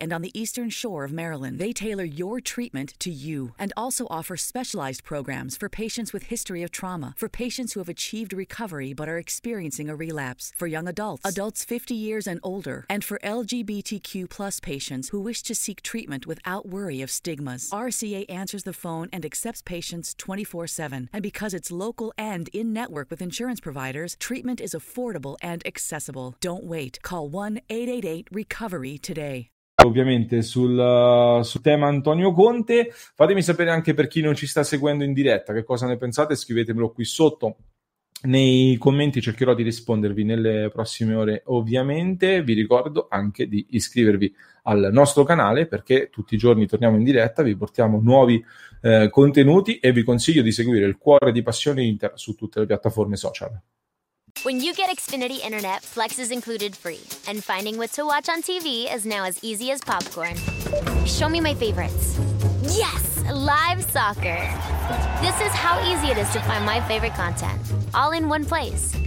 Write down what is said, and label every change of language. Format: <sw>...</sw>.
<en>and on the eastern shore of Maryland, they tailor your treatment to you and also offer specialized programs for patients with history of trauma, for patients who have achieved recovery but are experiencing a relapse, for young adults, adults 50 years and older, and for LGBTQ plus patients who wish to seek treatment without worry of stigmas. RCA answers the phone and accepts patients 24/7. And because it's local and in-network with insurance providers, treatment is affordable and accessible. Don't wait. Call 1-888-RECOVERY. Today.</en> <it>Ovviamente sul tema Antonio Conte, fatemi sapere anche per chi non ci sta seguendo in diretta che cosa ne pensate, scrivetemelo qui sotto nei commenti, cercherò di rispondervi nelle prossime ore. Ovviamente vi ricordo anche di iscrivervi al nostro canale, perché tutti i giorni torniamo in diretta, vi portiamo nuovi contenuti e vi consiglio di seguire il Cuore di Passione Inter su tutte le piattaforme social.</it> <en>When you get Xfinity Internet, Flex is included for you. And finding what to watch on TV is now as easy as popcorn. Show me my favorites. Yes! Live soccer. This is how easy it is to find my favorite content. All in one place.</en>